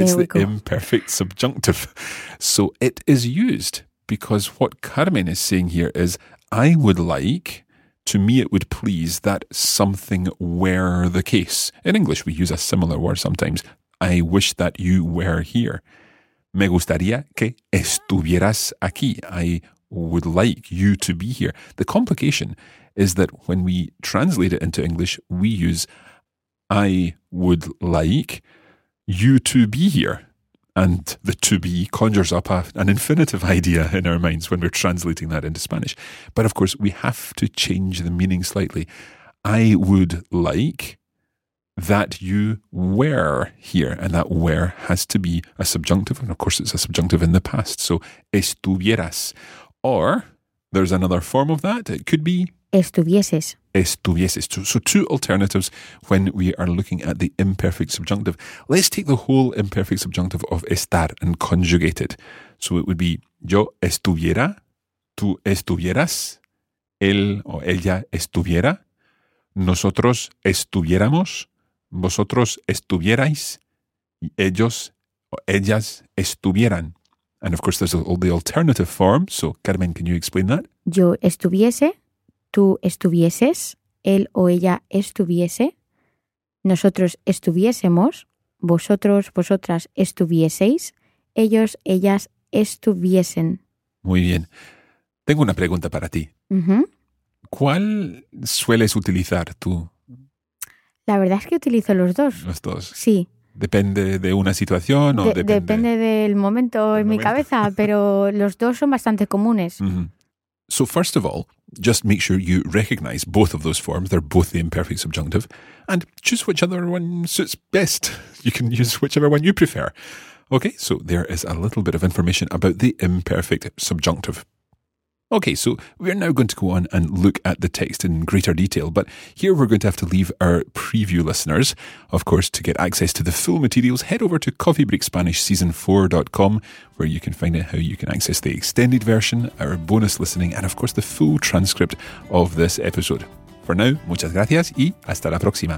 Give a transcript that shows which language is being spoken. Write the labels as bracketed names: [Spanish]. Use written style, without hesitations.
[English] It's the imperfect subjunctive. So it is used because what Carmen is saying here is, I would like, to me it would please that something were the case. In English, we use a similar word sometimes. I wish that you were here. [Spanish] Me gustaría que estuvieras aquí. [English] I would like you to be here. The complication is that when we translate it into English, we use I would like you to be here. And the to be conjures up an infinitive idea in our minds when we're translating that into Spanish. But of course, we have to change the meaning slightly. I would like that you were here. And that were has to be a subjunctive. And of course, it's a subjunctive in the past. So, estuvieras. Or, there's another form of that. It could be [Spanish] estuvieses. Estuvieses. [English] So two alternatives when we are looking at the imperfect subjunctive. Let's take the whole imperfect subjunctive of estar and conjugate it. So it would be [Spanish] yo estuviera, tú estuvieras, él o ella estuviera, nosotros estuviéramos, vosotros estuvierais, y ellos o ellas estuvieran. [English] And of course, there's the alternative form. So Carmen, can you explain that? [Spanish] Yo estuviese. Tú estuvieses, él o ella estuviese, nosotros estuviésemos, vosotros, vosotras estuvieseis, ellos, ellas estuviesen. Muy bien. Tengo una pregunta para ti. ¿Cuál sueles utilizar tú? La verdad es que utilizo los dos. Los dos. Sí. ¿Depende de una situación o depende? Depende del momento en mi cabeza, pero los dos son bastante comunes. [English] So first of all, just make sure you recognize both of those forms. They're both the imperfect subjunctive. And choose whichever one suits best. You can use whichever one you prefer. Okay, so there is a little bit of information about the imperfect subjunctive. Okay, so we're now going to go on and look at the text in greater detail. But here we're going to have to leave our preview listeners. Of course, to get access to the full materials, head over to coffeebreakspanishseason4.com, where you can find out how you can access the extended version, our bonus listening, and of course, the full transcript of this episode. For now, [Spanish] muchas gracias y hasta la próxima.